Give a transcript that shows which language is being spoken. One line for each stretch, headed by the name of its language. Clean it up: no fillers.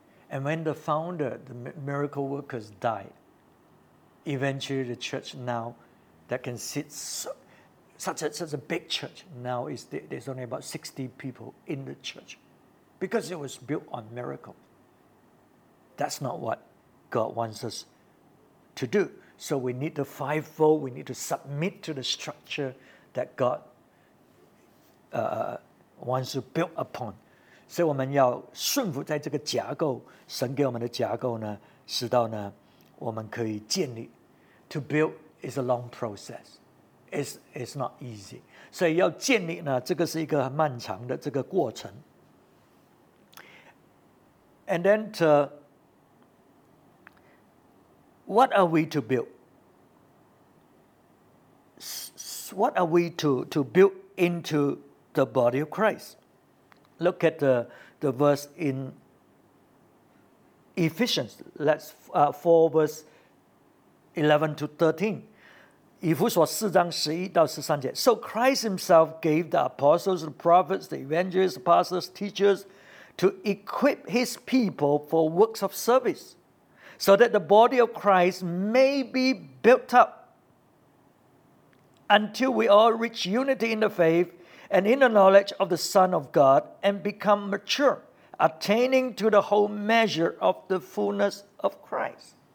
English: And when the founder, the miracle workers died, eventually the church now that can sit such a big church, now is there's only about 60 people in the church, because it was built on miracles. That's not what God wants us to do. So we need the fivefold, we need to submit to the structure that God wants to build upon.
Chinese: 所以我们要顺服在这个架构，神给我们的架构呢，使到呢，我们可以建立。
English: To build is a long process. It's not easy.
Chinese: 所以要建立呢，这个是一个漫长的这个过程。
English: And then to what are we to build? What are we to build into the body of Christ? Look at the verse in Ephesians. Let's 4 verse 11 to 13.
Chinese: 以弗所四章十一到十三节。
English: So Christ himself gave the apostles, the prophets, the evangelists, pastors, teachers, to equip his people for works of service, so that the body of Christ may be built up until we all reach unity in the faith and in the knowledge of the Son of God and become mature, attaining to the whole measure of the fullness of Christ.